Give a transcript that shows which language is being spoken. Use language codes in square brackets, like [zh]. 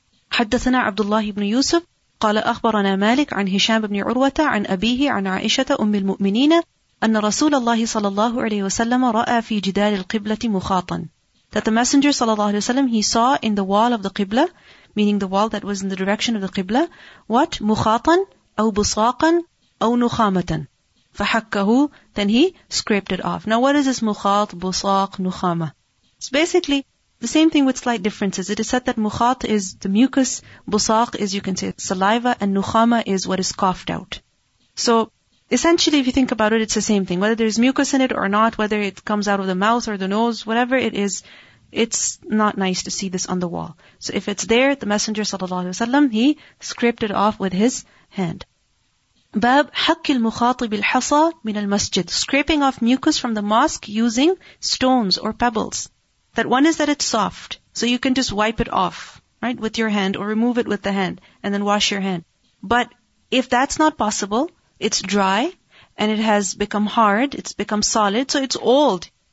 [ar] حدثنا عبد الله بن يوسف قال أخبرنا مالك عن هشام بن عروة عن أبيه عن عائشة أم المؤمنين أن رسول الله صلى الله عليه وسلم رأى في جدار القبلة مخاطا. [en] That the messenger [ar] صلى الله عليه وسلم, [en] he saw in the wall of the Qibla, meaning the wall that was in the direction of the Qibla, what? [ar] مخاطا أو بصاقا أو نخامة. فحكه, [en] then he scraped it off. Now what is this مخاط, بصاق, نخامة? It's basically the same thing with slight differences. It is said that مخاط is the mucus, بصاق is, you can say, saliva, and نخامة is what is coughed out. So essentially, if you think about it, it's the same thing. Whether there's mucus in it or not, whether it comes out of the mouth or the nose, whatever it is, it's not nice to see this on the wall. So if it's there, the Messenger sallallahu alaihi wasallam, he scraped it off with his hand. [ar] باب حك المخاط بالحصى من المسجد. [en] Scraping off mucus from the mosque using stones or pebbles. That one is that it's soft, so you can just wipe it off, right, with your hand, or remove it with the hand and then wash your hand. But if that's not possible, it's dry and it has become hard, it's become solid, so it's old.